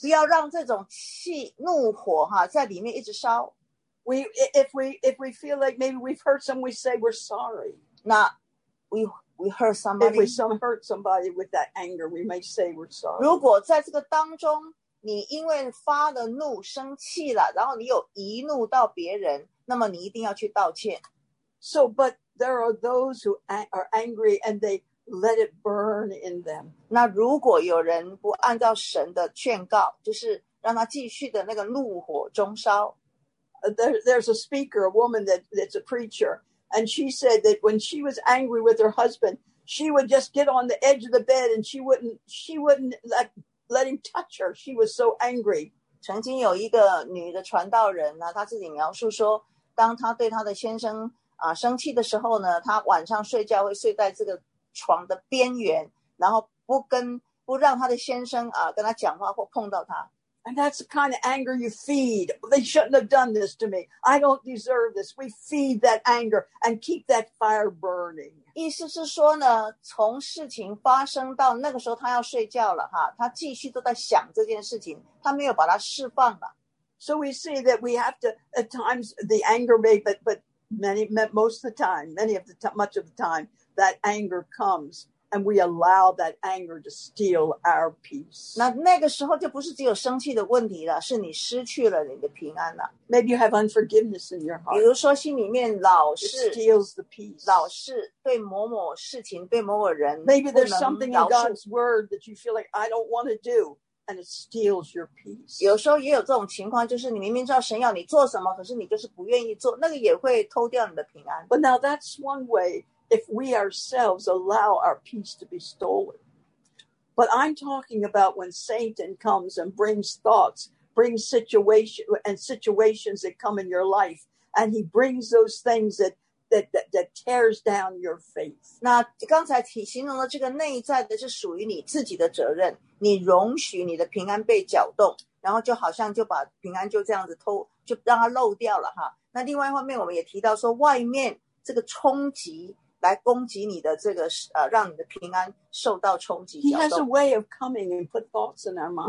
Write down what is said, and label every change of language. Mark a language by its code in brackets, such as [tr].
[zh] 不要让这种气怒火哈在里面一直烧。 [en] If we feel like maybe we've hurt someone, we say we're sorry. 那 we hurt somebody. If we some hurt somebody with that anger, we may say we're sorry. [zh] 如果在这个当中，你因为发了怒、生气了，然后你有移怒到别人，那么你一定要去道歉。 [en] So, but there are those who are angry and they. Let it burn in them. [zh] 那如果有人不按照神的劝告，就是让他继续的那个怒火中烧。 [en] There's a speaker, a woman that's a preacher, and she said that when she was angry with her husband, she would just get on the edge of the bed and she wouldn't let him touch her. She was so angry. [zh] 曾经有一个女的传道人呢，她自己描述说，当她对她的先生生气的时候呢，她晚上睡觉会睡在这个。床的边缘，然后不让他的先生跟他讲话或碰到他。 [en] And that's the kind of anger you feed. They shouldn't have done this to me. I don't deserve this. We feed that anger and keep that fire burning. [zh] 意思是说呢，从事情发生到那个时候，他要睡觉了哈，他继续都在想这件事情，他没有把它释放了。 [en] So we see that we have to at times the anger may, but many most of the time, many of the much of the time.That anger comes And we allow that anger to steal our peace. [zh] 那个时候就不是只有生气的问题了，是你失去了你的平安了。 [en] Maybe you have unforgiveness in your heart. [zh] 比如说心里面老是 [en] it steals the peace. [zh] 老是对某某事情，对某某人。 [en] Maybe there's something in God's word that you feel like I don't want to do, and it steals your peace. [zh] 有时候也有这种情况，就是你明明知道神要你做什么，可是你就是不愿意做，那个也会偷掉你的平安。 [en] But now that's one way. If we ourselves allow our peace to be stolen. But I'm talking about when Satan comes and brings thoughts, brings situations that come in your life, and he brings those things that tears down your faith. [zh] 那刚才提形容的这个内在的是属于你自己的责任，你容许你的平安被搅动，然后就好像就把平安就这样子偷，就让它漏掉了哈。那另外一方面我们也提到说外面这个冲击来攻击你的这个让你的平安受到冲击。 [en] He has a way of coming and put thoughts in our mind.